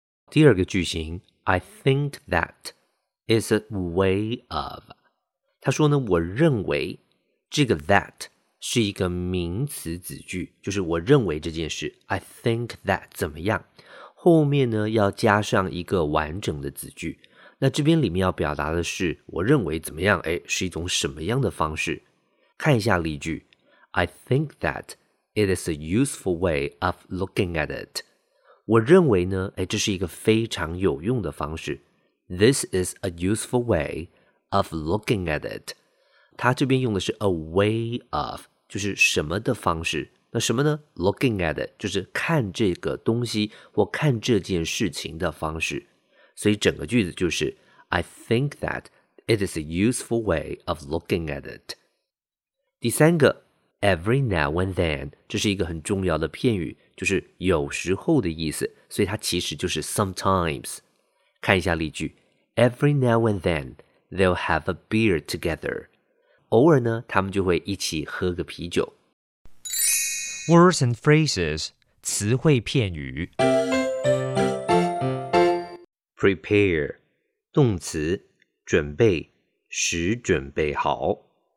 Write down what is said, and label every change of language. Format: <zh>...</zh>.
<zh>第二个句型</zh> <en>I think that is a way of,</en> <zh>他说呢我认为，这个 that是一个名词子句，就是我认为这件事</zh> <en>I think that</en> <zh>怎么样，后面呢要加上一个完整的子句。那这边里面要表达的是我认为怎么样，哎，是一种什么样的方式。看一下例句，</zh> <en>I think that it is a useful way of looking at it,</en> <zh>我认为呢，哎，这是一个非常有用的方式。</zh> <en>This is a useful way of looking at it,</en> <zh>他这边用的是</zh> <en>a way of,</en> <zh>就是什么的方式。那什么呢？</zh> <en>looking at it,</en> <zh>就是看这个东西或看这件事情的方式。所以整个句子就是</zh> <en>I think that it is a useful way of looking at it.</en> <zh>第三个</zh> <en>every now and then,</en> <zh>这是一个很重要的片语，就是有时候的意思，所以它其实就是 sometimes。看一下例句，</zh> <en>every now and then they'll have a beer together,</en> <zh>偶尔呢他们就会一起喝个啤酒。</zh> <en>Words and phrases,</en> <zh>词汇片语。</zh> <en>Prepare,</en> <zh>动词，准备，使准备好。</zh>